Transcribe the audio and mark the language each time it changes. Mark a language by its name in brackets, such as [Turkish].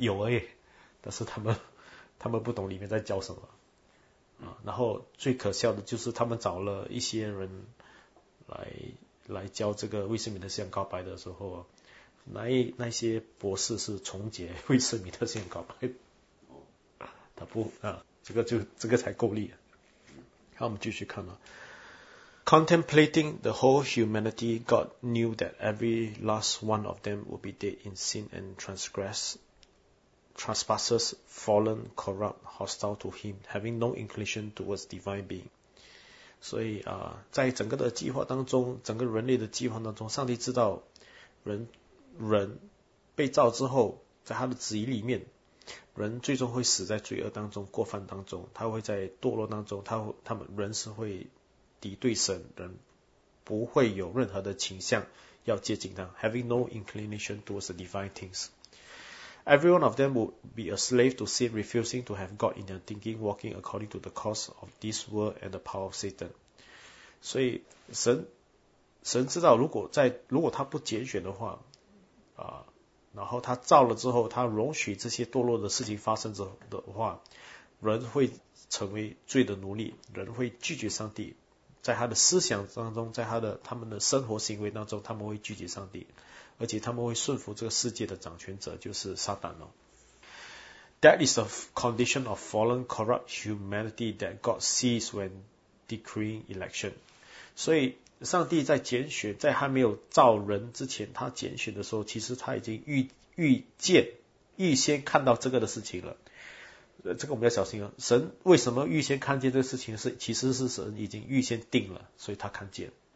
[Chinese] 有哎，但是他们不懂里面在教什么，啊，然后最可笑的就是他们找了一些人来教这个卫斯敏特信仰告白的时候，那些博士是重结卫斯敏特信仰告白，他不啊，这个才够力。好，我们继续看了 [English] ，Contemplating the whole humanity, God knew that every last one of them would be dead in sin and trespasses, fallen, corrupt, hostile to him, having no inclination towards divine being. [Chinese] 所以啊，在整个的计划当中，整个人类的计划当中，上帝知道人被造之后，在他的旨意里面，人最终会死在罪恶当中，过犯当中，他会在堕落当中，他们人是会敌对神，人不会有任何的倾向要接近他， [English] having no inclination towards the divine things. Every one of them would be a slave to sin, refusing to have God in their thinking, walking according to the course of this world and the power of Satan. [Chinese] 所以神知道，如果他不拣选的话，然后他造了之后，他容许这些堕落的事情发生之后的话，人会成为罪的奴隶，人会拒绝上帝，在他的思想当中，在他们的生活行为当中，他们会拒绝上帝。而且他们会顺服这个世界的掌权者，就是撒旦哦。 [English] That is the condition of fallen, corrupt humanity that God sees when decreeing election. [Chinese] 所以上帝在拣选，在还没有造人之前，他拣选的时候，其实他已经预先看到这个的事情了。这个我们要小心啊。神为什么预先看见这个事情？其实是神已经预先定了，所以他看见。